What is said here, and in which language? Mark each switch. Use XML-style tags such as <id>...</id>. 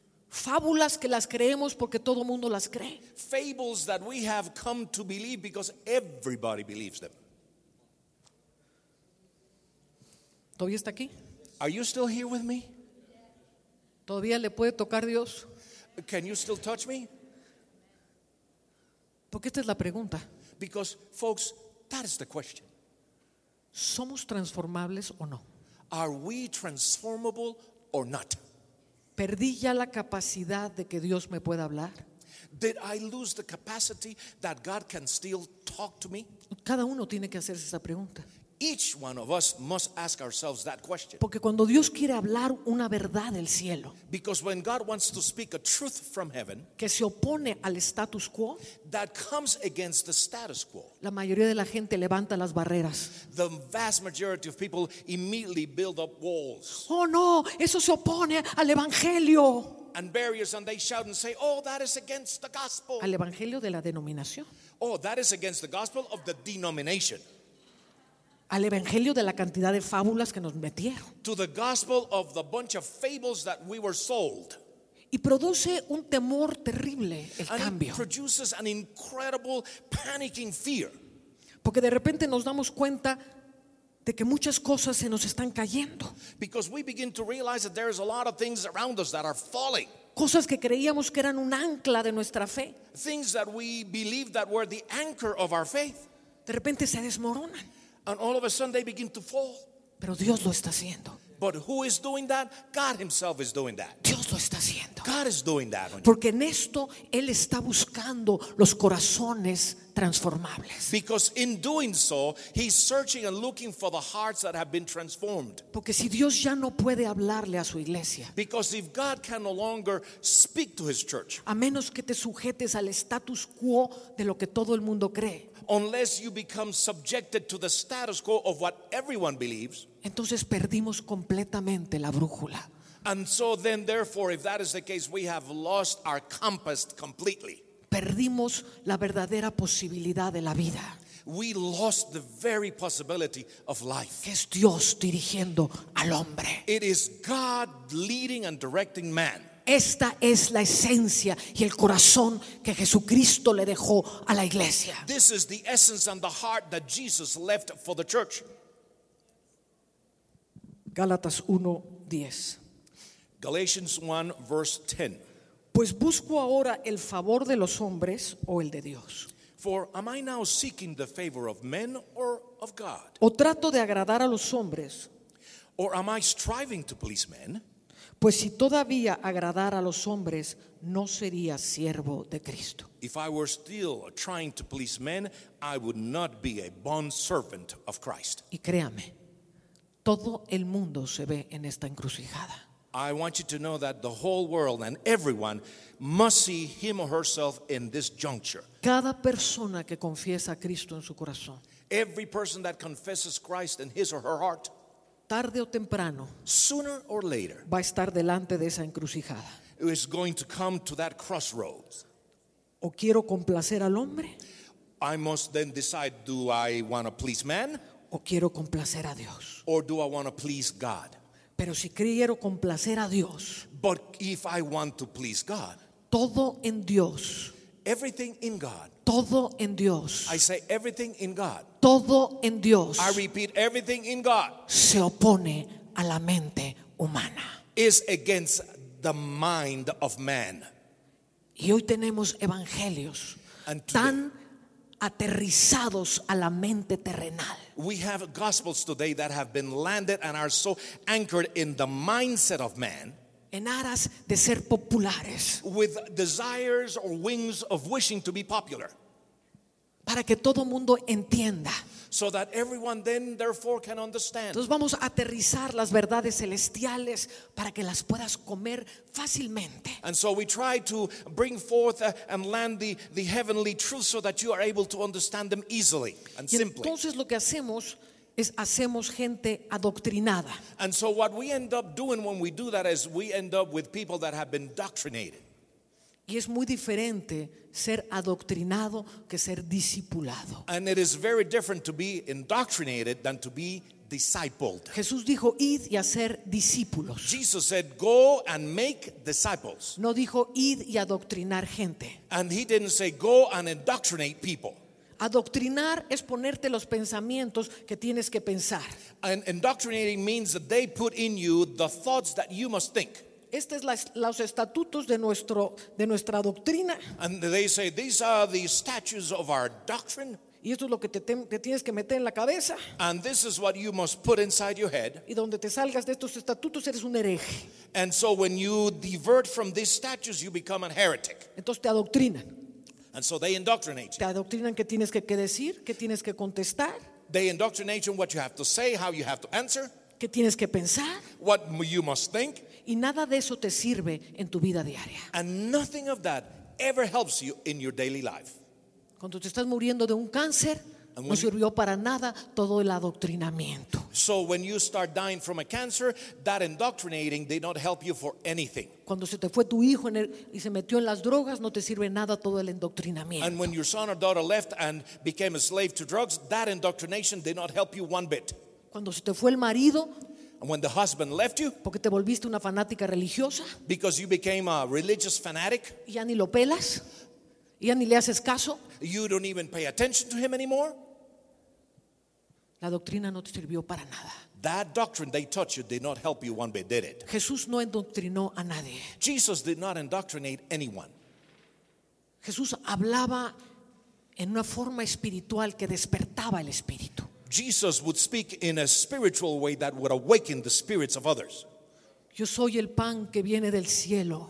<es>Fábulas que las creemos porque todo mundo las cree.</es> <en>Fables that we have come to believe because everybody believes them.</en> <es>¿Todavía está aquí?</es> <en>Are you still here with me?</en> <es>¿Todavía le puede tocar Dios?</es> <en>Can you still touch me?</en> <es>Porque esta es la pregunta.</es> <en>Because folks, that is the question.</en> <es>¿Somos transformables o no?</es> <en>Are we transformable or not?</en> <es>¿Perdí ya la capacidad de que Dios me pueda hablar?</es> <en>Did I lose the capacity that God can still talk to me?</en> <es>Cada uno tiene que hacerse esa pregunta.</es> <en>Each one of us must ask ourselves that question.</en> <es>Porque cuando Dios quiere hablar una verdad del cielo,</es> <en>because when God wants to speak a truth from heaven,</en> <es>que se opone al status quo,</es> <en>that comes against the status quo,</en> <es>la mayoría de la gente levanta las barreras.</es> <en>The vast majority of people immediately build up walls.</en> <es>Oh no, eso se opone al evangelio.</es> <en>And barriers, and they shout and say, oh, that is against the gospel.</en> <es>Al evangelio de la denominación.</es> <en>Oh, that is against the gospel of the denomination.</en> <es>Al evangelio de la cantidad de fábulas que nos metieron.</es> <en>To the gospel of the bunch of fables that we were sold.</en> <es>Y produce un temor terrible el</es> <en>and</en> <es>cambio.</es> <en>It produces an incredible panicking fear.</en> <es>Porque de repente nos damos cuenta de que muchas cosas se nos están cayendo.</es> <en>Because we begin to realize that there is a lot of things around us that are falling.</en> <es>Cosas que creíamos que eran un ancla de nuestra fe.</es> <en>Things that we believed that were the anchor of our faith.</en> <es>De repente se desmoronan.</es> <en>And all of a sudden they begin to fall.</en> <es>Pero Dios lo está haciendo.</es> <en>But who is doing that? God himself is doing that.</en> <es>Dios lo está haciendo.</es> <en>God is doing that.</en> <es>Porque en esto él está buscando los corazones transformables.</es> <en>Because in doing so, he's searching and looking for the hearts that have been transformed.</en> <es>Porque si Dios ya no puede hablarle a su iglesia.</es> <en>Because if God can no longer speak to his church.</en> <es>A menos que te sujetes al status quo de lo que todo el mundo cree.</es> <en>Unless you become subjected to the status quo of what everyone believes.</en> <es>Entonces perdimos completamente la brújula.</es> <en>And so then therefore, if that is the case, we have lost our compass completely.</en> <es>Perdimos la verdadera posibilidad de la vida.</es> <en>We lost the very possibility of life.</en> <es>Es Dios dirigiendo al hombre.</es> <en>It is God leading and directing man.</en> <es>Esta es la esencia y el corazón que Jesucristo le dejó a la iglesia.</es> <en>This is the essence and the heart that Jesus left for the church.</en> <es>Gálatas 1:10.</es> <en>Galatians 1 verse 10.</en> <es>Pues busco ahora el favor de los hombres o el de Dios.</es> <en>For am I now seeking the favor of men or of God?</en> <es>O trato de agradar a los hombres.</es> <en>Or am I striving to please men?</en> <es>Pues si todavía agradara a los hombres, no sería siervo de Cristo.</es> <en>If I were still trying to please men, I would not be a bond servant of Christ.</en> <es>Y créame, todo el mundo se ve en esta encrucijada.</es> <en>I want you to know that the whole world and everyone must see him or herself in this juncture.</en> <es>Cada persona que confiesa a Cristo en su corazón.</es> <en>Every person that confesses Christ in his or her heart.</en> <es>Tarde o temprano.</es> <en>Sooner or later.</en> <es>Va a estar delante de esa encrucijada.</es> <en>Is going to come to that crossroads.</en> <es>O quiero complacer al hombre.</es> <en>I must then decide, do I want to please man?</en> <es>O quiero complacer a Dios.</es> <en>Or do I want to please God?</en> <es>Pero si quiero complacer a Dios.</es> <en>But if I want to please God.</en> <es>Todo en Dios.</es> <en>Everything in God.</en> <es>Todo en Dios.</es> <en>I say everything in God.</en> <es>Todo en Dios.</es> <en>I repeat everything in God.</en> <es>Se opone a la mente humana.</es> <en>Is against the mind of man.</en> <es>Y hoy tenemos evangelios tan aterrizados a la mente terrenal.</es> <en>We have gospels today that have been landed and are so anchored in the mindset of man.</en> <es>En aras de ser populares.</es> <en>With desires or wings of wishing to be popular.</en> <es>Para que todo mundo entienda.</es> <en>So that everyone then therefore can understand.</en> <es>Entonces vamos a aterrizar las verdades celestiales para que las puedas comer fácilmente.</es> <en>And so we try to bring forth and land the heavenly truth so that you are able to understand them easily and simply.</en> <es>Y entonces lo que hacemos es hacemos gente adoctrinada.</es> <en>And so what we end up doing when we do that is we end up with people that have been doctrinated.</en> <es>Y es muy diferente ser adoctrinado que ser discipulado.</es> <en>And it is very different to be indoctrinated than to be discipled.</en> <es>Jesús dijo, id y hacer discípulos.</es> <en>Jesus said, go and make disciples.</en> <es>No dijo, id y adoctrinar gente.</es> <en>And he didn't say, go and indoctrinate people.</en> <es>Adoctrinar es ponerte los pensamientos que tienes que pensar.</es> <en>And indoctrinating means that they put in you the thoughts that you must think.</en> <es>Estos son los estatutos de nuestra doctrina.</es> <en>And they say, these are the statutes of our doctrine.</en> <es>Y esto es lo que te tienes que meter en la cabeza.</es> <en>And this is what you must put inside your head.</en> <es>Y donde te salgas de estos estatutos eres un hereje.</es> <en>And so when you divert from these statutes, you become a heretic.</en> <es>Entonces te adoctrinan.</es> <en>And so they indoctrinate you.</en> <es>Te adoctrinan qué tienes que decir, qué tienes que contestar.</es> <en>They indoctrinate you in what you have to say, how you have to answer.</en> <es>Qué tienes que pensar.</es> <en>What you must think.</en> <es>Y nada de eso te sirve en tu vida diaria.</es> <en>And nothing of that ever helps you in your daily life.</en> <es>Cuando te estás muriendo de un cáncer, no sirvió para nada todo el adoctrinamiento.</es> <en>So when you start dying from a cancer, that indoctrinating did not help you for anything.</en> <es>Cuando se te fue tu hijo y se metió en las drogas, no te sirve nada todo el indoctrinamiento.</es> <en>And when your son or daughter left and became a slave to drugs, that indoctrination did not help you one bit.</en> <es>Cuando se te fue el marido,</es> <en>and when the husband left you,</en> <es>porque te volviste una fanática religiosa,</es> <en>because you became a religious fanatic,</en> <es>ya ni lo pelas. Ya ni le haces caso.</es> <en>You don't even pay attention to him anymore.</en> <es>La doctrina no te sirvió para nada.</es> <en>That doctrine they taught you did not help you one bit, did it?</en> <es>Jesús no indoctrinó a nadie.</es> <en>Jesus did not indoctrinate anyone.</en> <es>Jesús hablaba en una forma espiritual que despertaba el espíritu.</es> <en>Jesus would speak in a spiritual way that would awaken the spirits of others.</en> <es>Yo soy el pan que viene del cielo.</es>